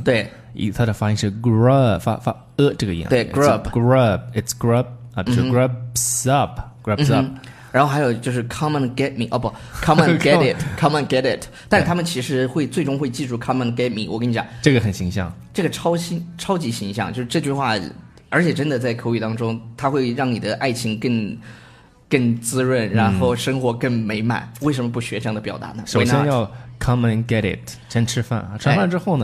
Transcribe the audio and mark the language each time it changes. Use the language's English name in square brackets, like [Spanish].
[Chinese] 对，它的发音是 grub， 发这个音。对 ，grub， [English] grub， it's grub [Chinese] 啊，就是 [English] grubs up， grubs up、嗯。 [Chinese] 然后还有就是 [English] come and get me， [Chinese] 哦不 [English] ，come and get it， come and get it。 [Chinese] 但他们其实会最终会记住 [English] come and get me。 [Chinese] 我跟你讲，这个很形象，这个超级形象，就是这句话。而且真的在口语当中，它会让你的爱情更滋润，然后生活更美满、嗯、为什么不学这样的表达呢？首先要 [English] come and get it， [Chinese] 先吃饭，吃完饭之后呢、